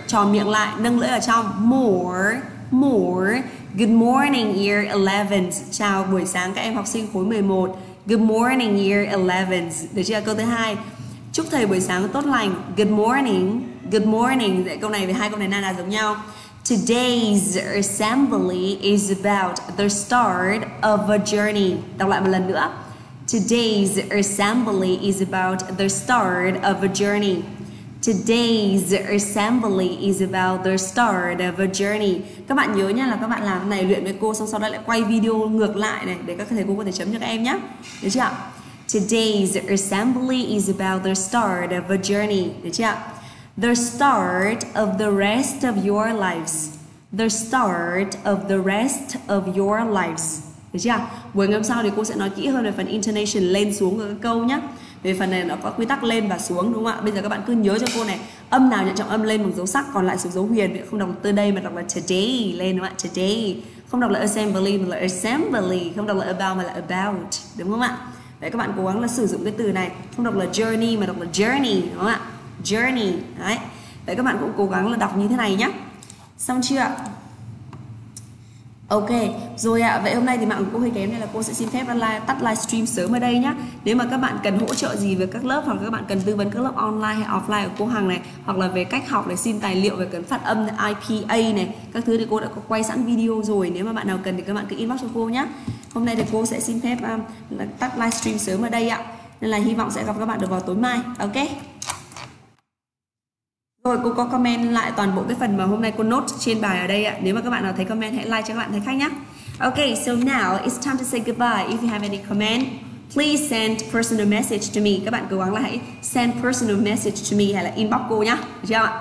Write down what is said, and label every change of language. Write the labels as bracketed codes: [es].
[vi] Tròn miệng lại, nâng lưỡi ở trong. [en] More. Good morning, year 11. [vi] Chào buổi sáng các em học sinh khối 11. [en] Good morning, year 11. [vi] Được chưa? Câu thứ hai. Chúc thầy buổi sáng tốt lành. [en] Good morning. [vi] Câu này với hai câu này nào giống nhau. [en] Today's assembly is about the start of a journey. [vi] Đọc lại một lần nữa. [en] Today's assembly is about the start of a journey. Today's assembly is about the start of a journey. [vi] Các bạn nhớ nha là các bạn làm này luyện với cô xong sau đó lại quay video ngược lại này để các thầy cô có thể chấm cho các em nhé. Được chưa ạ? [en] Today's assembly is about the start of a journey. [vi] Được chưa ạ? [en] The start of the rest of your lives. The start of the rest of your lives. [vi] Được chưa ạ? Buổi ngày hôm sau thì cô sẽ nói kỹ hơn về phần intonation lên xuống của các câu nhé. Về phần này nó có quy tắc lên và xuống đúng không ạ? Bây giờ các bạn cứ nhớ cho cô này, âm nào nhận trọng âm lên bằng dấu sắc, còn lại sửa dấu huyền. Không đọc today mà đọc là today lên đúng không ạ? Today. Không đọc là assembly mà là assembly. Không đọc là about mà là about. Đúng không ạ? Vậy các bạn cố gắng là sử dụng cái từ này. Không đọc là journey mà đọc là journey đúng không ạ? Journey. Đấy. Vậy các bạn cũng cố gắng là đọc như thế này nhé. Xong chưa ạ? Ok, rồi ạ, vậy hôm nay thì mạng của cô hơi kém nên là cô sẽ xin phép tắt livestream sớm ở đây nhá. Nếu mà các bạn cần hỗ trợ gì về các lớp, hoặc các bạn cần tư vấn các lớp online hay offline của cô Hằng này, hoặc là về cách học để xin tài liệu về cần phát âm IPA này, các thứ thì cô đã có quay sẵn video rồi. Nếu mà bạn nào cần thì các bạn cứ inbox cho cô nhá. Hôm nay thì cô sẽ xin phép tắt livestream sớm ở đây ạ. Nên là hy vọng sẽ gặp các bạn được vào tối mai, ok. Rồi, cô có comment lại toàn bộ cái phần mà hôm nay cô note trên bài ở đây ạ. Nếu mà các bạn nào thấy comment, hãy like cho các bạn thấy khác nhé. [en] Ok, so now it's time to say goodbye. If you have any comment, please send personal message to me. [vi] Các bạn cố gắng là hãy [en] send personal message to me [vi] hay là inbox cô nhé. Được chưa ạ?